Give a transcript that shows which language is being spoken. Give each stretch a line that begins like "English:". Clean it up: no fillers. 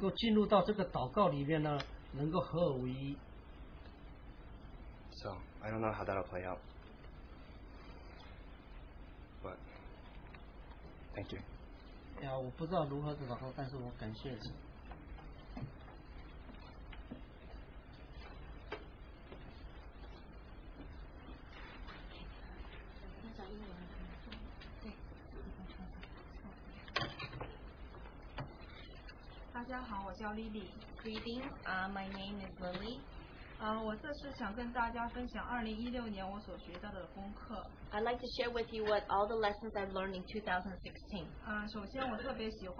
Chinese: 让我能够进入到这个祷告里面呢，能够合而为一。
English: So, I don't know how that'll play out. But, thank you.
Chinese: 我不知道如何祷告，但是我感谢主。大家好，我叫Lily.
English: Greeting. My name is Lily.
Chinese: 我这次想跟大家分享2016年我所学到的功课。
English: I'd like to share with you what all the lessons I've learned in 2016.